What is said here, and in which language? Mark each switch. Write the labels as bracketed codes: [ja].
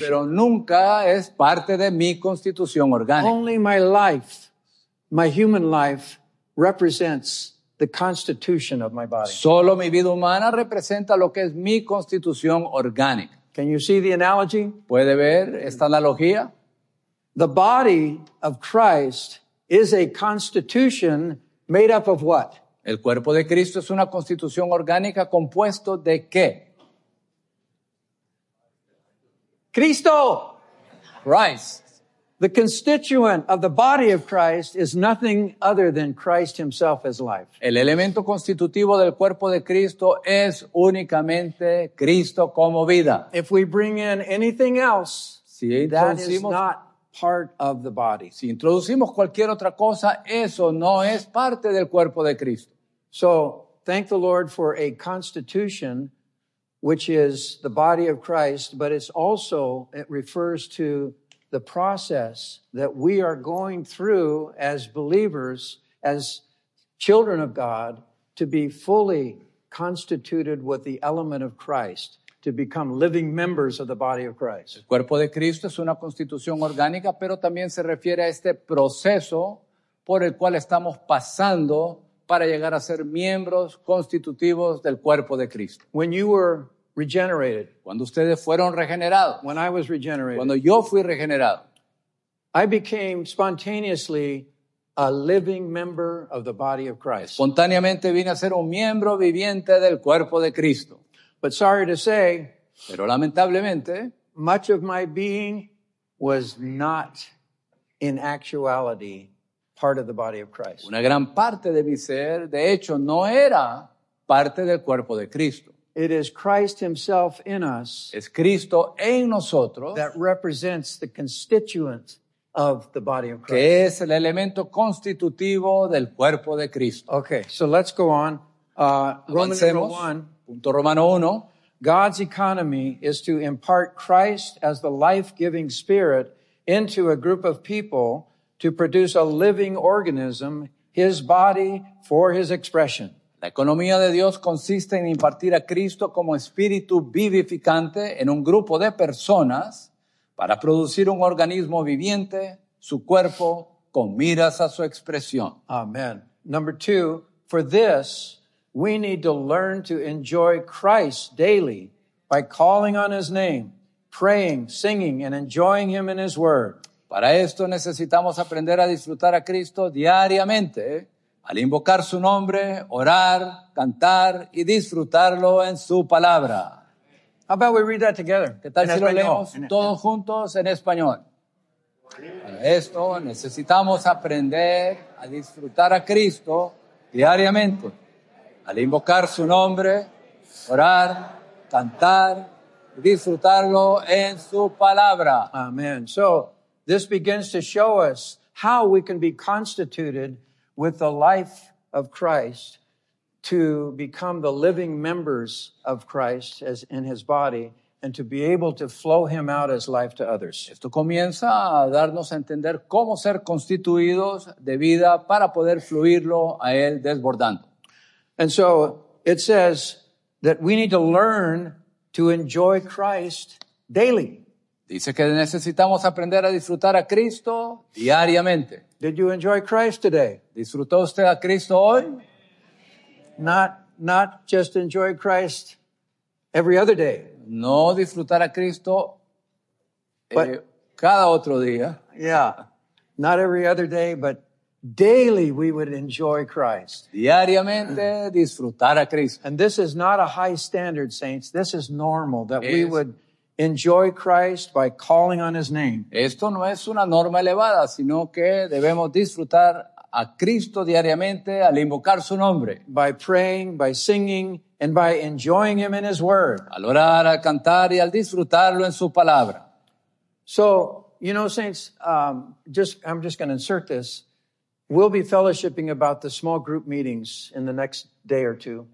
[es] Pero nunca es parte de mi constitución orgánica. [en] Only my life, my human life, represents the constitution of my body. [es] Solo mi vida humana representa lo que es mi constitución orgánica. [en] Can you see the analogy? [es] ¿Puede ver esta analogía? [en] The body of Christ is a constitution made up of what? [es] El cuerpo de Cristo es una constitución orgánica compuesto de qué? Cristo. [en] Christ. The constituent of the body of Christ is nothing other than Christ himself as life. [es] El elemento constitutivo del cuerpo de Cristo es únicamente Cristo como vida. [en] If we bring in anything else, [es] si [en] that is not part of the body. [es] Si introducimos cualquier otra cosa, eso no es parte del cuerpo de Cristo. [en] So, thank the Lord for a constitution which is the body of Christ, but it's also, it refers to the process that we are going through as believers, as children of God, to be fully constituted with the element of Christ. to become living members of the body of Christ. [es] El cuerpo de Cristo es una constitución orgánica, pero también se refiere a este proceso por el cual estamos pasando para llegar a ser miembros constitutivos del cuerpo de Cristo. [en] When you were regenerated, [es] cuando ustedes fueron regenerados, [en] when I was regenerated, [es] cuando yo fui regenerado, [en] I became spontaneously a living member of the body of Christ. [es] Espontáneamente vine a ser un miembro viviente del cuerpo de Cristo. [en] But sorry to say, [es] pero lamentablemente, [en] much of my being was not in actuality part of the body of Christ. [es] Una gran parte de mi ser, de hecho, no era parte del cuerpo de Cristo. [en] It is Christ himself in us. [es] Es Cristo en nosotros. [en] That represents the constituent of the body of Christ. [es] Que es el elemento constitutivo del cuerpo de Cristo. [en] Okay, so let's go on. Romans 1. [es] Punto Romano 1. [en] God's economy is to impart Christ as the life-giving spirit into a group of people to produce a living organism, his body, for his expression. [es] La economía de Dios consiste en impartir a Cristo como espíritu vivificante en un grupo de personas para producir un organismo viviente, su cuerpo, con miras a su expresión. [en] Amen. Number 2, for this, we need to learn to enjoy Christ daily by calling on his name, praying, singing, and enjoying him in his word. [es] Para esto necesitamos aprender a disfrutar a Cristo diariamente, al invocar su nombre, orar, cantar y disfrutarlo en su palabra. [en] How about we read that together? [es] ¿Qué tal si lo leemos todos juntos en español? Para esto necesitamos aprender a disfrutar a Cristo diariamente, al invocar su nombre, orar, cantar y disfrutarlo en su palabra. [en] Amen. So, this begins to show us how we can be constituted with the life of Christ to become the living members of Christ as in his body and to be able to flow him out as life to others. [es] Esto comienza a darnos a entender cómo ser constituidos de vida para poder fluirlo a él desbordando. [en] And so it says that we need to learn to enjoy Christ daily. [es] Dice que necesitamos aprender a disfrutar a Cristo diariamente. [en] Did you enjoy Christ today? [es] ¿Disfrutó usted a Cristo hoy? [en] Not just enjoy Christ every other day. [es] No disfrutar a Cristo cada otro día. [en] Yeah, not every other day, but daily we would enjoy Christ. [es] Diariamente disfrutar a Cristo. [en] And this is not a high standard, saints. This is normal that we would enjoy Christ by calling on his name. [es] Esto no es una norma elevada, sino que debemos disfrutar a Cristo diariamente al invocar su nombre. [en] By praying, by singing, and by enjoying him in his word. [es] Al orar, al cantar y al disfrutarlo en su palabra. [en] So, you know, saints, I'm just going to insert this. We'll be fellowshipping about the small group meetings in the next day or two.